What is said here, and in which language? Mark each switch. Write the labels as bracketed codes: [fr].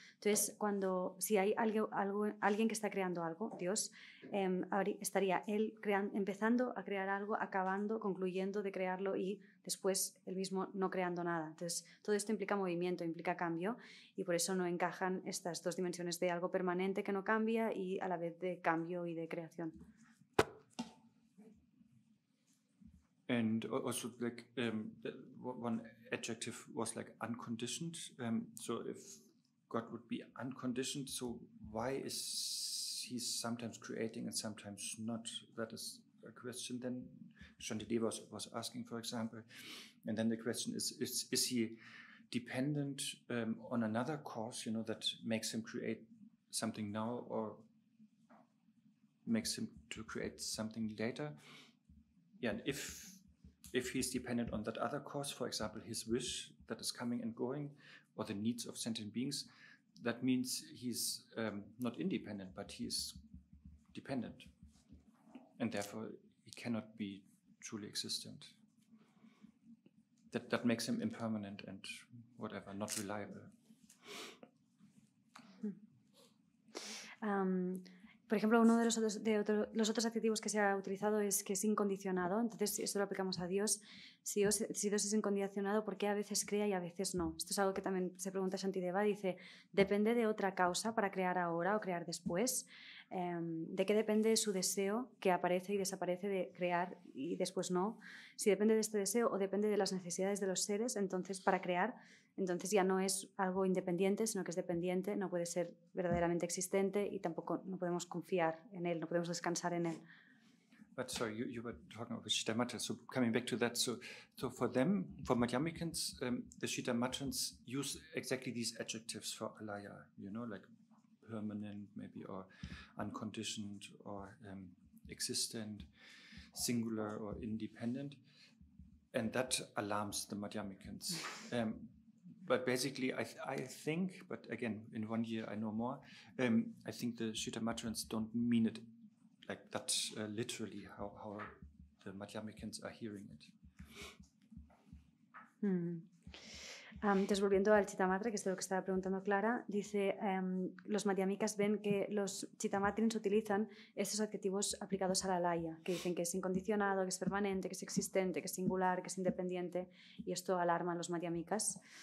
[es] Entonces, cuando, si hay alguien que está creando algo, Dios, estaría él empezando a crear algo, acabando, concluyendo de crearlo y después él mismo no creando nada. Entonces, todo esto implica movimiento, implica cambio, y por eso no encajan estas dos dimensiones de algo permanente que no cambia y a la vez de cambio y de creación. [en] And also, like one adjective was like unconditioned. So if God would be unconditioned, so why is he sometimes creating and sometimes not? That is a question. Then Shantideva was asking, for example, and then the question is he dependent on another cause, you know, that makes him create something now or makes him to create something later? Yeah, and if he's dependent on that other cause, for example, his wish that is coming and going, or the needs of sentient beings, that means he's not independent, but he is dependent. And therefore, he cannot be truly existent. That makes him impermanent and whatever, not reliable. [es] Por ejemplo, uno de los otros adjetivos que se ha utilizado es que es incondicionado. Entonces, esto lo aplicamos a Dios. Si Dios es incondicionado, ¿por qué a veces crea y a veces no? Esto es algo que también se pregunta Shantideva. Dice, ¿depende de otra causa para crear ahora o crear después? ¿De qué depende su deseo que aparece y desaparece de crear y después no? Si depende de este deseo o depende de las necesidades de los seres, entonces, para crear, entonces ya no es algo independiente, sino que es dependiente, no puede ser verdaderamente existente y tampoco no podemos confiar en él, no podemos descansar en él. [en] But sorry, you were talking about the Shitamatas, so coming back to that, so for them, for Madhyamikans, the Shitamatans use exactly these adjectives for alaya, you know, like permanent maybe, or unconditioned, or existent, singular or independent, and that alarms the Madhyamikans. But basically, I think, but again, in 1 year I know more, I think the Shitamatrans don't mean it like that literally, how the Madhyamikans are hearing it. [es] Entonces, volviendo al Chitamatra, que es lo que estaba preguntando Clara, dice, los madhyamikas ven que los chitamatrins utilizan estos adjetivos aplicados a la laya, que dicen que es incondicionado, que es permanente, que es existente, que es singular, que es independiente, y esto alarma a los madhyamikas.